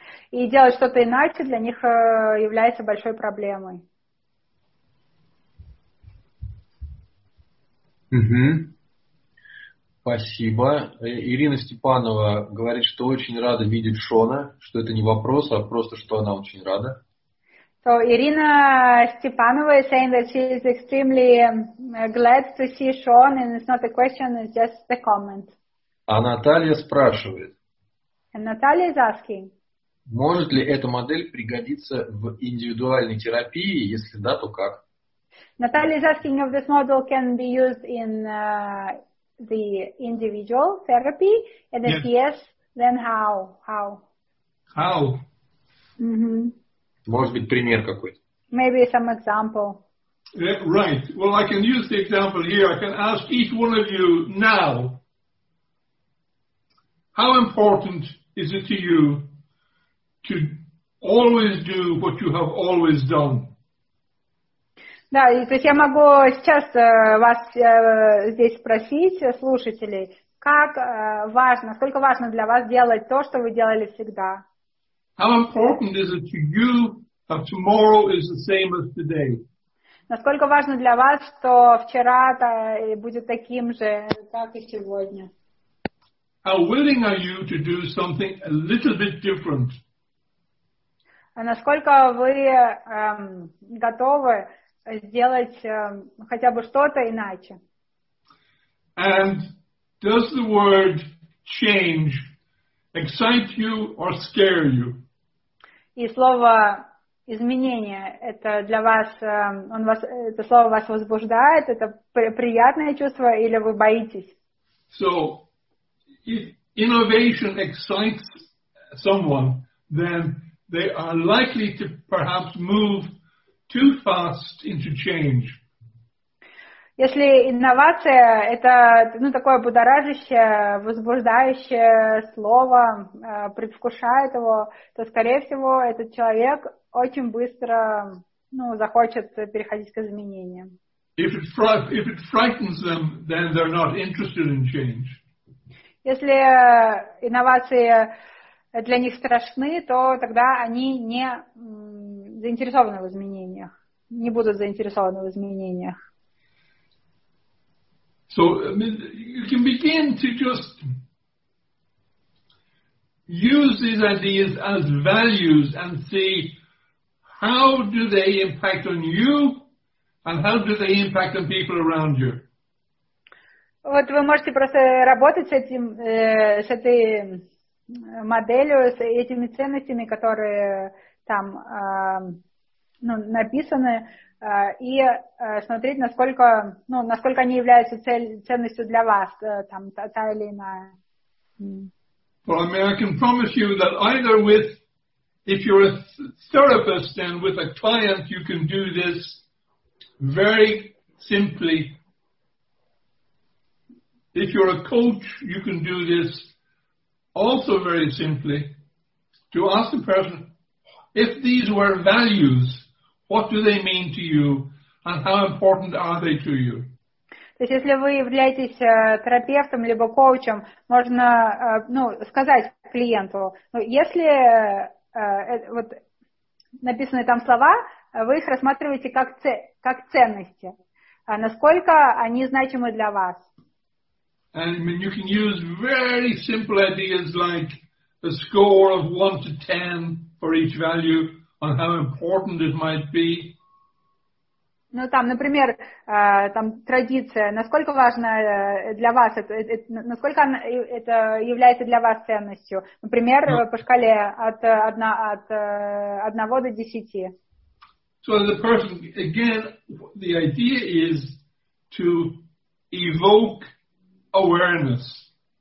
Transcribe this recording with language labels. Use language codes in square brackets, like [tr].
[ru] И делать что-то иначе для них является большой проблемой. Угу. Спасибо. Ирина Степанова говорит, что очень рада видеть Шона, что это не вопрос, а просто, что она очень рада. [en] So Irina Stepanova is saying that she is extremely glad to see Sean, and it's not a question, it's just a comment. [ru] А Наталья спрашивает. [en] And Natalia is asking. [ru] Может ли эта модель пригодиться в индивидуальной терапии, если да, то как? [en] Natalia is asking if this model can be used in the individual therapy, and if yes, then how? How? How? Mm-hmm. [ru] Может быть, пример какой-то. [en] Maybe some example. Yeah, right. Well, I can use the example here. I can ask each one of you now. How important is it to you to always do what you have always done? [ru] Да, то есть я могу сейчас вас здесь спросить, слушателей, как важно, сколько важно для вас делать то, что вы делали всегда? [en] How important is it to you that tomorrow is the same as today? [ru] Насколько важно для вас, что вчера будет таким же, как и сегодня? [en] How willing are you to do something a little bit different? [ru] Насколько вы готовы сделать хотя бы что-то иначе? [en] And does the word change excite you or scare you? [ru] И слово изменение, это для вас, он вас, это слово вас возбуждает, это приятное чувство или вы боитесь? [en] So, if innovation excites someone, then they are likely to perhaps move too fast into change. [ru] Если инновация – это ну, такое будоражащее, возбуждающее слово, предвкушает его, то, скорее всего, этот человек очень быстро ну, захочет переходить к изменениям. [en] If it frightens them, then they're not interested in change. [ru] Если инновации для них страшны, то тогда они не заинтересованы в изменениях, не будут заинтересованы в изменениях. [en] So, I mean, you can begin to just use these ideas as values and see how do they impact on you and how do they impact on people around you. [ru] Вот вы можете просто работать с этим, с этой моделью, с этими ценностями, которые там ну, написаны. И смотреть, насколько, ну, насколько они являются ценностью для вас, там, та или иная. [en] Well, I mean, I can promise you that either with, if you're a therapist and with a client, you can do this very simply. If you're a coach, you can do this also very simply. To ask the person, if these were values, what do they mean to you, and how important are they to you? [ru] То есть, если вы являетесь терапевтом либо коучем, можно, ну, сказать клиенту, ну, если вот написаны там слова, вы их рассматриваете как ценности, а насколько они значимы для вас? [en] And I mean, you can use very simple ideas like a score of 1 to 10 for each value. On how important it might be. [ru] Ну там, например, там традиция. Насколько важна для вас это? Насколько она, это является для вас ценностью? Например, [en] no. [ru] По шкале от 1 до 10. [en] So the person again, the idea is to evoke awareness.